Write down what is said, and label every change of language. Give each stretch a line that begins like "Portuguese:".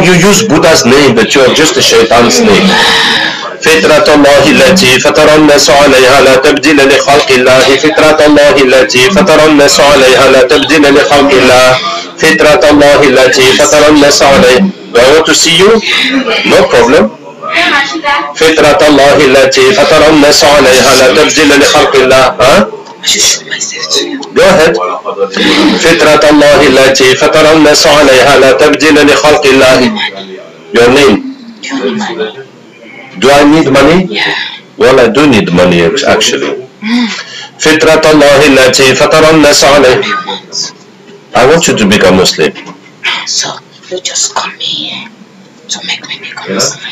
English: you use Buddha's name, but you are just a shaitan snake.
Arabic: فطرت الله التي فطر الناس عليها لا تبديل لخلق الله. فطرت الله التي فطر الناس عليها لا تبديل لخلق الله. فطرت الله التي فطر الناس عليها.
English: I want to see you. No problem.
Arabic: فطرت الله التي فطر الناس عليها لا تبديل لخلق الله.
English: Huh? Go ahead.
Arabic: فطرة الله التي فطر الناس عليها لا تبديل لخلق الله.
English: Your name. Do I need money? Yeah. Well, I do need money actually.
Arabic: فطرة الله التي فطر الناس عليها.
English: I want you to become Muslim. So you just come here to make me become Muslim.